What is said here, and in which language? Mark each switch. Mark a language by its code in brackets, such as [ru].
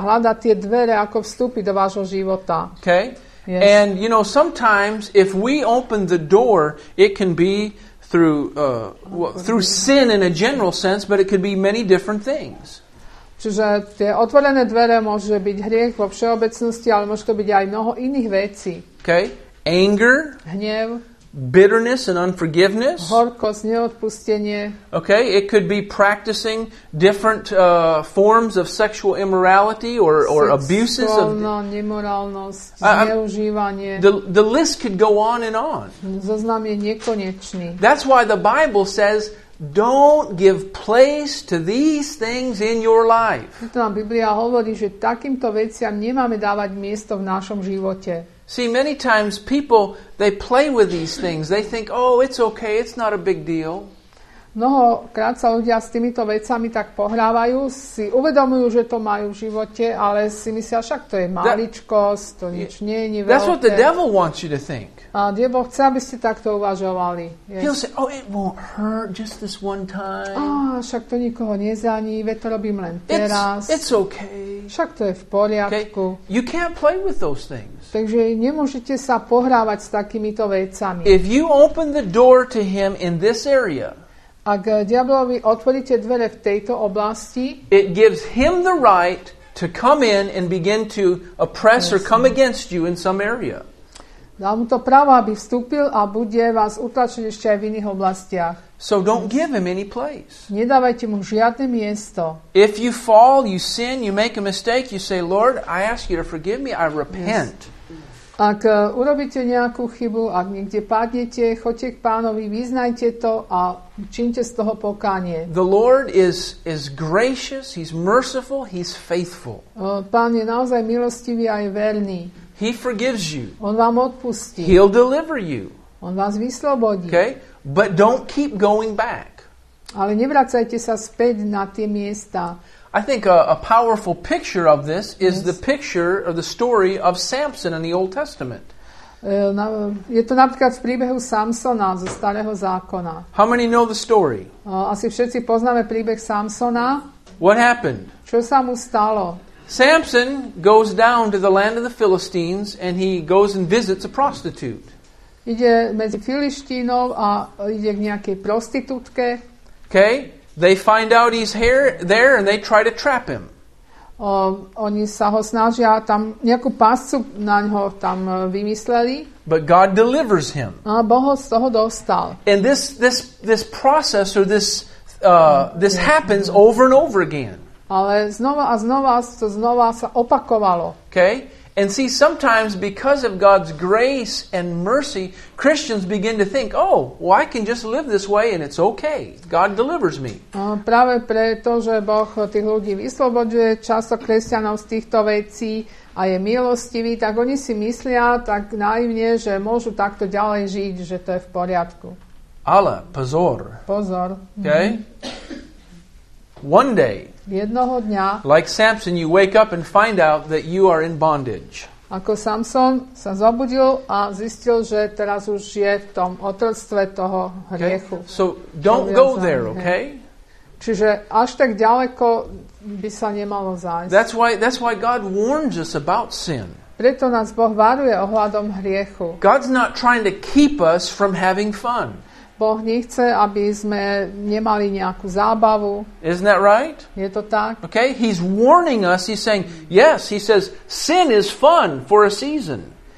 [sk] Hľada tie dvere, ako vstúpiť do vášho života. [en] Okay. Yes. And, you know, sometimes if we open the door, it can be through sin in a general sense, but it could be many different things. [sk] Čiže tie otvorené dvere môže byť hriech vo všeobecnosti, ale môže to byť aj mnoho iných vecí. [en] Okay. Anger. [sk] Hnev. [en] Bitterness and unforgiveness. [sk] Horkosť, neodpustenie. [en] Okay, it could be practicing different forms of sexual immorality or abuses of [sk] nemorálnosť, zneužívanie. [en] The list could go on and on. [sk] Zoznam je nekonečný. [en] That's why the Bible says, don't give place to these things in your life. [sk] Preto nám Biblia hovorí, že takýmto veciam nemáme dávať miesto v našom živote. [en] See, many times people, they play with these things. They think, oh, it's okay, it's not a big deal. [sk] Mnohokrát sa ľudia s týmito vecami tak pohrávajú, si uvedomujú, že to majú v živote, ale si myslia, však to je maličkosť, to nič nie je veľké. [en] That's what the devil wants you to think. [sk] A diabol chce, aby ste takto uvažovali. [en] Yes. He'll say, oh, it won't hurt just this one time. [sk] Však to nikoho nezraní, veď to robím len teraz. [en] It's okay. [sk] Však to je v poriadku. [en] Okay. You can't play with those things. [sk] Takže nemôžete sa pohrávať s takýmito vecami. [en] If you open the door to him in this area, [sk] ak diablovi otvoríte dvere v tejto oblasti, [en] it gives him the right to come in and begin to oppress or come against you in some area. [sk] Dám mu to právo, aby vstúpil a bude vás utlačiť ešte aj v iných oblastiach. [en] So don't give him any place. [sk] Nedávajte mu žiadne miesto. [en] If you fall, you sin, you make a mistake, you say, Lord, I ask you to forgive me, I repent. Yes. [sk] Ak urobíte nejakú chybu, ak niekde padnete, choďte k Pánovi, vyznajte to a učinite z toho pokánie. [en] The Lord is gracious, he's merciful, he's faithful. [sk] Pán je naozaj milostivý a je verný. [en] He forgives you. [sk] On vám odpustí. [en] He'll deliver you. [sk] On vás vyslobodí. [en] Okay? But don't keep going back. [sk] Ale nevracajte sa späť na tie miesta. [en] I think a powerful picture of this is the picture of the story of Samson in the Old Testament. [sk] Je to napríklad v príbehu Samsona zo Starého zákona. [en] How many know the story? [sk] Asi všetci poznáme príbeh Samsona. [en] What happened? [sk] Čo sa mu stalo? [en] Samson goes down to the land of the Philistines and he goes and visits a prostitute. [sk] Ide medzi Filištínov a ide k nejakej prostitútke. [en] Okay? They find out he's here, there, and they try to trap him. [sk] Oni sa ho snažia tam nejakú páscu na ňo tam vymysleli. [en] But God delivers him. [sk] A Boh ho z toho dostal. [en] And this process or this happens over and over again. [sk] Ale znova a znova to znova sa opakovalo. [en] Okay? And see, sometimes because of God's grace and mercy, Christians begin to think, oh, well, I can just live this way and it's okay. God delivers me. [sk] Práve preto, že Boh tých ľudí vyslobodzuje často kresťanov z týchto vecí a je milostivý, tak oni si myslia tak naivne, že môžu takto ďalej žiť, že to je v poriadku. Ale pozor. Pozor. [en] Okay? One day, [sk] jednoho dňa, [en] like Samson, you wake up and find out that you are in bondage. [sk] Ako Samson sa zobudil a zistil, že teraz už je v tom otroctve toho hriechu. [en] Okay. So don't go there, okay? [sk] Čiže až tak ďaleko by sa nemalo zájsť. [en] That's why God warns us about sin. [sk] Preto nás Boh varuje ohľadom hriechu. [en] God's not trying to keep us from having fun. [sk] Boh nechce, aby sme nemali nejakú zábavu. [en] Isn't that right? [sk] Je to tak? [en] Okay, he's warning us. He's saying, yes, he says, sin is fun for a season.